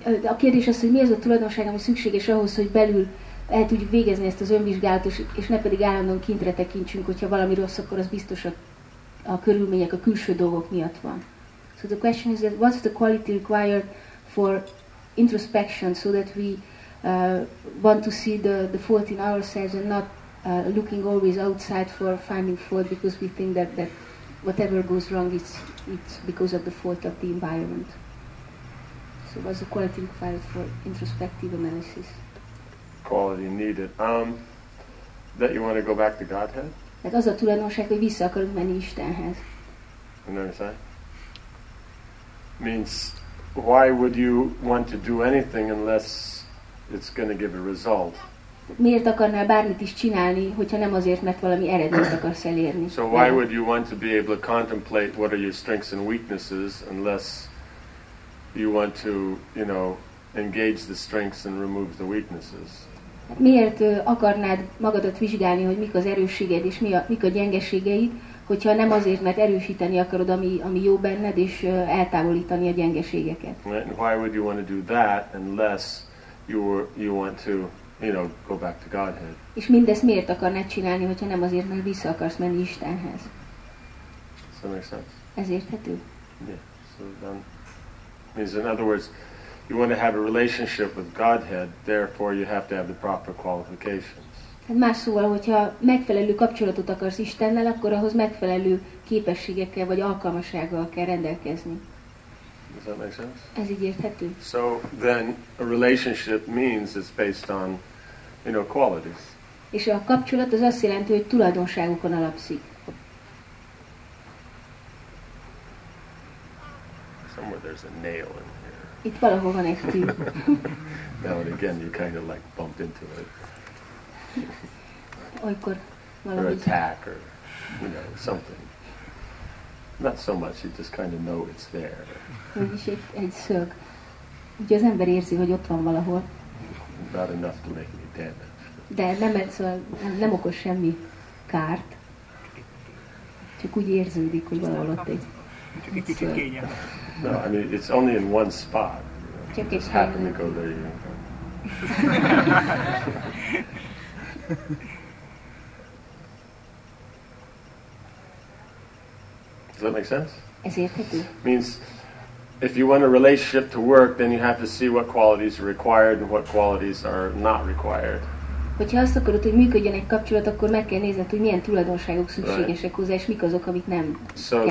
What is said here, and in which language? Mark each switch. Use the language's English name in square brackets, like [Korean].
[Hungarian] A kérdés az, hogy mi az a tulajdonság, ami szükséges ahhoz, hogy belül el tudjuk végezni ezt az önvizsgálatot, és ne pedig állandóan kintre tekintsünk, hogyha valami rossz, akkor az biztos a körülmények, a külső dolgok miatt van. [English] So the question is that what's the quality required for introspection, so that we want to see the fault in ourselves and not looking always outside for finding fault, because we think that whatever goes wrong, it's because of the fault of the environment. So what's the quality required for introspective analysis? Quality needed. That you want to go back to Godhead? [Hungarian] Hát az a tulajdonság, hogy vissza akarunk menni Istenhez. [English] You know what I'm saying? Means, why would you want to do anything unless it's going to give a result? [Hungarian] Miért akarnál bármit is csinálni, hogyha nem azért, mert valami eredményt akarsz elérni? [English] So why would you want to be able to contemplate what are your strengths and weaknesses unless you want to, you know, engage the strengths and remove the weaknesses? [Hungarian] Miért akarnád magadat vizsgálni, hogy mik az erősséged és mik a gyengeségeid, hogyha nem azért, mert erősíteni akarod, ami jó benned, és eltávolítani a gyengeségeket? [English] Why would you want to do that unless you want to, you know, go back to Godhead? [Hungarian] És mindezt miért akarnád csinálni, hogyha nem azért, mert vissza akarsz menni Istenhez? [English] Does that make sense? [Hungarian] Ez érthető? [English] Yeah. So then, in other words, you want to have a relationship with Godhead, therefore you have to have the proper qualifications. [Hungarian] Tehát más szóval, hogyha megfelelő kapcsolatot akarsz Istennel, akkor ahhoz megfelelő képességekkel vagy alkalmassággal kell rendelkezni. [English] Does that make sense? [Hungarian] Ez így érthető. [English] So then a relationship means it's based on, you know, qualities. [Hungarian] És a kapcsolat az azt jelenti, hogy tulajdonságokon alapszik. [English] Somewhere there's a nail in here. [Hungarian] Itt valahol van egy tű. [English] Now and again you kind of like bumped into it. [Hungarian] Olykor valami. [English] Or attack, or, you know, something. Not so much, you just kind of know it's there. [Hungarian] Vagyis egy szög. Úgyhogy az ember érzi, hogy ott van valahol. Not enough to make any damage. De nem, szóval nem okoz semmi kárt. Csak úgy érződik, hogy valahol ott egy szög. [English] No, I mean, it's only in one spot. You know. Just happened to go there. You know. Does that make sense? [Hungarian] Ez érthető. [English] Means if you want a relationship to work, then you have to see what qualities are required and what qualities are not required. [Hungarian] Hogyha azt akarod, hogy működjön egy kapcsolat, akkor meg kell nézned, hogy milyen tulajdonságok szükségesek hozzá, és mik azok, amik nem kellene.